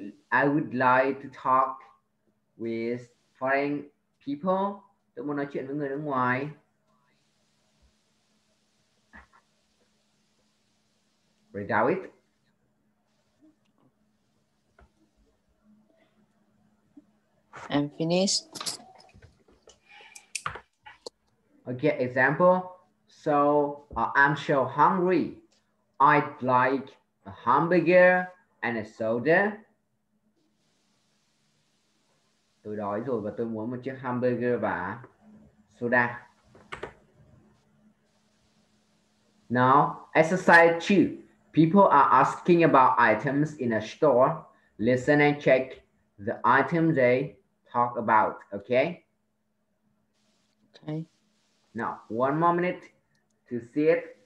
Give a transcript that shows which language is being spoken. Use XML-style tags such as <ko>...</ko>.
<en>I would like to talk with foreign people.</en> <vi>Tôi muốn nói chuyện với người nước ngoài.</vi> <en>Read out it. I'm finished. Okay, example. So, I'm so hungry. I'd like a hamburger and a soda.</en> <vi>Tôi đói rồi và tôi muốn một chiếc hamburger và soda.</vi> <en>Now, exercise 2. People are asking about items in a store. Listen and check the items they talk about, okay? Okay. Now, one more minute to see it.</en>